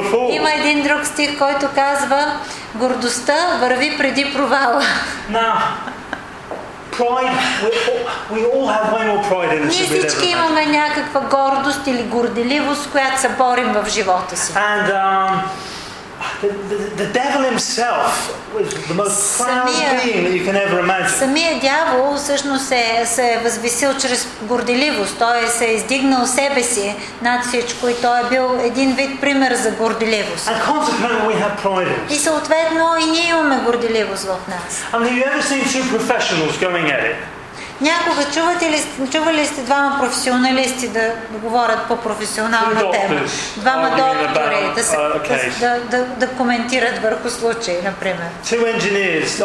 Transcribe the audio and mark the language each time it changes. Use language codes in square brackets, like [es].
[bg] Има един друг стих, който казва, гордостта върви преди провала. [en] Pride. [bg] Ние всички имаме някаква гордост или горделивост, която се борим в живота си. [en] And the devil himself was the most proud being that you can ever imagine. [bg] Самия дявол всъщност се е възвисил чрез горделивост. Той се е издигнал себе си над всичко и той е бил един вид пример за горделивост. [en] And consequently we have pride. [bg] И съответно и ние имаме горделивост в нас. [en] And have you ever seen two professionals going at it? [bg] Някога чували сте двама професионалисти да говорят по професионална тема? Двама доктори да коментират върху случай, например.